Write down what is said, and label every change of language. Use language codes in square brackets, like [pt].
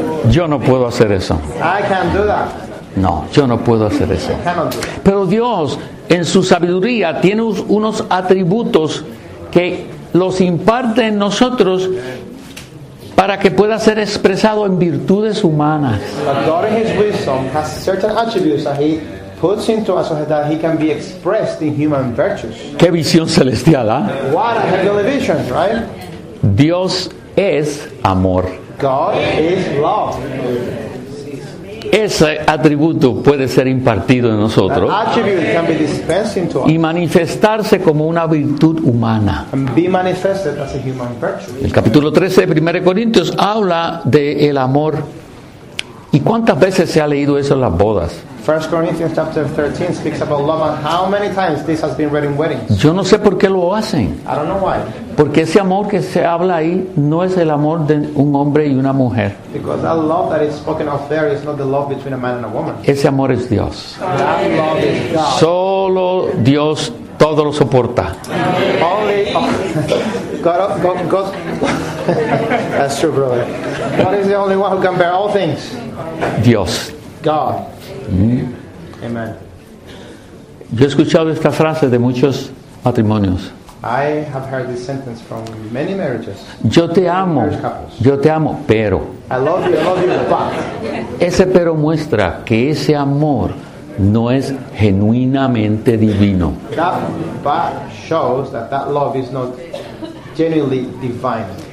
[es] Yo no puedo hacer eso. [en] I can't do that. [es] No, yo no puedo hacer eso. [en] I cannot do that. [es] Pero Dios, en su sabiduría, tiene unos atributos que los imparte en nosotros. Para que pueda ser expresado en virtudes humanas. [en] But God in his wisdom has certain attributes that he puts into us so that he can be expressed in human virtues. [es] Qué visión celestial, ¿eh? [en] What a heavenly vision, right? [es] Dios es amor. [en] God is love. [es] Ese atributo puede ser impartido en nosotros. [en] That attribute can be dispensed into us. [es] Y manifestarse como una virtud humana. [en] And be manifested as a human virtue. [es] El capítulo 13 de 1 Corintios habla de el amor. ¿Y cuántas veces se ha leído eso en las bodas? [en] 1 Corinthians chapter 13 speaks about love and how many times this has been read in weddings. [es] Yo no sé por qué lo hacen. [en] I don't know why. [es] Porque ese amor que se habla ahí no es el amor de un hombre y una mujer. [en] Because that love that is spoken of there is not the love between a man and a woman. [es] Ese amor es Dios. [en] That love is God. [es] Solo Dios todo lo soporta. [en] Only God. That's true, brother. God is the only one who can bear all things. [es] Dios. [en] God. [es] Amen. Yo he escuchado esta frase de muchos matrimonios. [en] I have heard this sentence from many marriages. [es] Yo te amo, pero. [en] I love you, but. [es] Ese pero muestra que ese amor no es genuinamente divino. [en] That but shows that love is not genuinely divine.